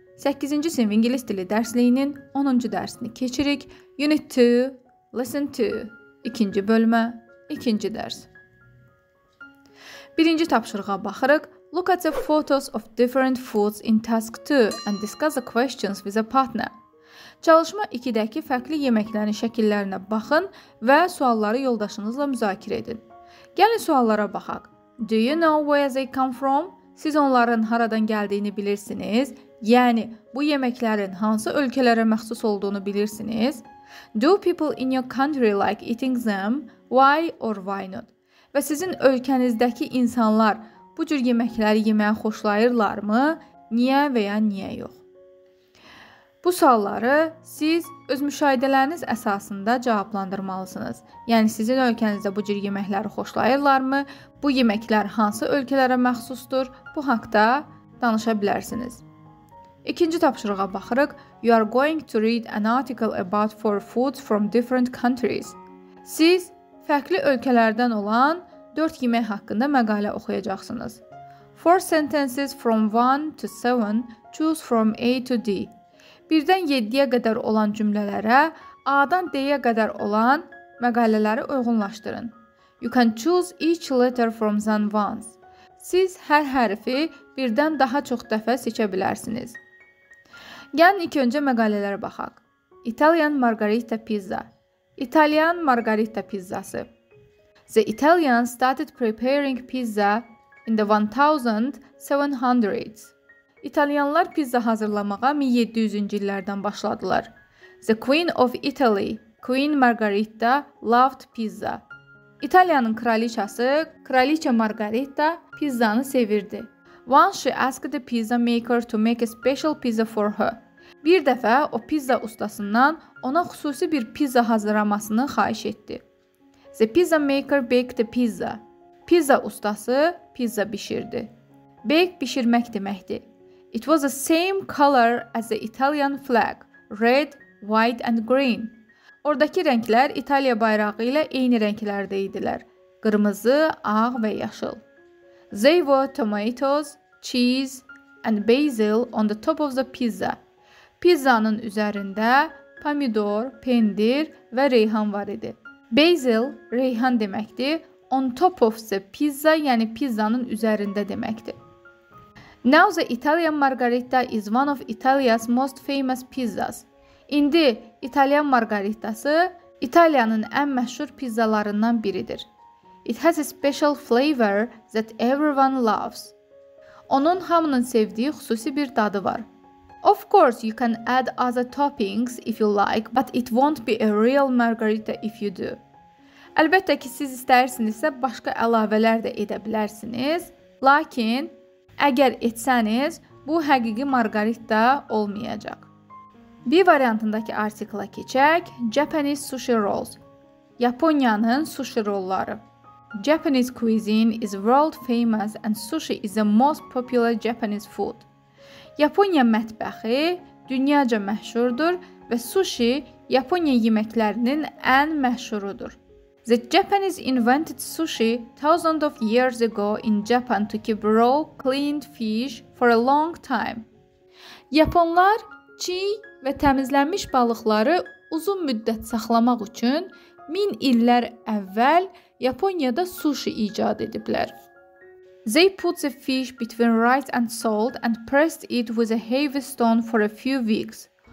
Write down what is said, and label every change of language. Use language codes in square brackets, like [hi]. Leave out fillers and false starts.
[az] 8-ci sinif ingilis dili dərsliyinin 10-cu dərsini keçirik. [en] Unit 2, Lesson 2, [az] 2-ci bölmə, 2-ci dərs. 1-ci tapşırığa baxırıq. [en] Look at the photos of different foods in task 2 and discuss the questions with a partner. [az] Çalışma 2-dəki fərqli yeməklərin şəkillərinə baxın və sualları yoldaşınızla müzakirə edin. Gəlin suallara baxaq. [en] Do you know where they come from? [az] Siz onların haradan gəldiyini bilirsiniz, yəni bu yeməklərin hansı ölkələrə məxsus olduğunu bilirsiniz. [en] Do people in your country like eating them? Why or why not? [az] Və sizin ölkənizdəki insanlar bu cür yeməkləri yeməyə xoşlayırlarmı? Niyə və ya niyə yox? Bu sualları siz öz müşahidələriniz əsasında cavablandırmalısınız. Yəni, sizin ölkənizdə bu cür yeməkləri xoşlayırlarmı? Bu yeməklər hansı ölkələrə məxsusdur? Bu haqda danışa bilərsiniz. İkinci tapşırığa baxırıq. [en] You are going to read an article about four foods from different countries. [az] Siz fərqli ölkələrdən olan 4 yemək haqqında məqalə oxuyacaqsınız. [en] Four sentences from 1 to 7, choose from A to D. [az] 1-dən 7-yə qədər olan cümlələrə, A-dan D-yə qədər olan məqalələri uyğunlaşdırın. [en] You can choose each letter from then once. [az] Siz hər hərfi 1-dən daha çox dəfə seçə bilərsiniz. Gəlin ilk öncə məqalələrə baxaq. [en] Italian Margarita Pizza. [az] İtalyan Margarita Pizzası. [en] The Italian started preparing pizza in the 1700s. [az] İtalyanlar pizza hazırlamağa 1700-cü illərdən başladılar. [en] The Queen of Italy, Queen Margherita, loved pizza. [az] İtalyanın kraliçası, kraliça Margherita, pizzanı sevirdi. [en] Once she asked the pizza maker to make a special pizza for her. [az] Bir dəfə o pizza ustasından ona xüsusi bir pizza hazırlamasını xahiş etdi. [en] The pizza maker baked the pizza. [az] Pizza ustası pizza bişirdi. Bake bişirmək deməkdir. [en] It was the same color as the Italian flag, red, white and green. [az] Oradakı rənglər İtaliya bayrağı ilə eyni rənglərdə idilər. Qırmızı, ağ və yaşıl. [en] They were tomatoes, cheese and basil on the top of the pizza. [az] Pizzanın üzərində pomidor, pendir və reyhan var idi. Basil, reyhan deməkdir, [en] on top of the pizza, [az] yəni pizzanın üzərində deməkdir. [en] Now the Italian Margherita is one of Italy's most famous pizzas. [az] İndi İtalyan Margheritası İtalyanın ən məşhur pizzalarından biridir. [en] It has a special flavor that everyone loves. [az] Onun hamının sevdiği xüsusi bir dadı var. [en] Of course you can add other toppings if you like, but it won't be a real Margherita if you do. [az] Əlbəttə ki siz istəyirsinizsə başqa əlavələr də edə bilərsiniz, lakin əgər etsəniz, bu həqiqi margarita olmayacaq. Bir variantındakı artikla keçək. [en] Japanese sushi rolls. [az] Yaponiyanın sushi rolları. [en] Japanese cuisine is world famous and sushi is the most popular Japanese food. [az] Yaponiya mətbəxi dünyaca məşhurdur və sushi Yaponiya yeməklərinin ən məşhurudur. [en] The Japanese invented sushi thousands of years ago in Japan to keep raw, cleaned fish for a long time. [az] Yaponlar çiğ və təmizlənmiş balıqları uzun müddət saxlamaq üçün 1000 illər əvvəl Yaponiyada sushi icad ediblər. [en] They put the fish between rice and salt and pressed it with a heavy stone for a few weeks.